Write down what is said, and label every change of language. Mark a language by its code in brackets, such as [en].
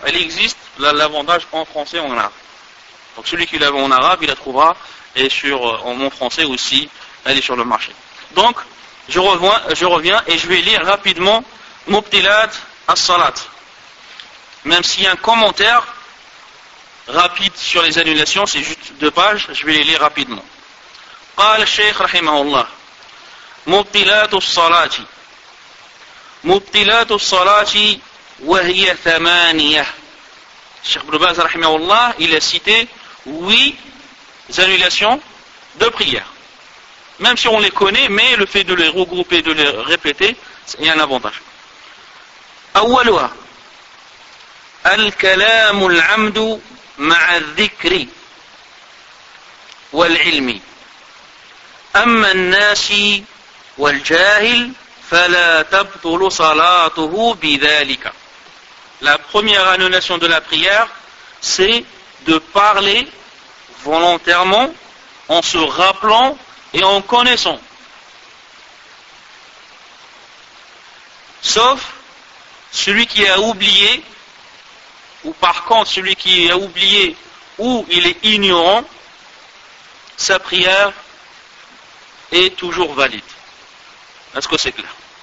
[fr] Elle existe, l'avantage en français et en arabe. Donc celui qui l'a en arabe, il la trouvera, et sur en français aussi, elle est sur le marché. Donc, je reviens et je vais lire rapidement Mubtilat As-Salat. Même s'il y a un commentaire rapide sur les annulations, c'est juste 2 pages, je vais les lire rapidement. [ar] Qal Sheikh Rahimahullah. مبطلات الصلاة مبطلات الصلاة وهي ثمانية الشيخ ابن باز رحمه الله [fr] il a cité 8 annulations de prière même si on les connaît mais le fait de les regrouper de les répéter c'est un avantage [ar] أولها الكلام العمد مع الذكر والعلم أما الناس والجاهل فلا تبطل صلاته بذلك. [fr] La première annulation de la prière, c'est de parler volontairement en se rappelant et en connaissant. Sauf celui qui a oublié, ou par contre celui qui a oublié ou il est ignorant, sa prière est toujours valide. Est-ce que c'est clair?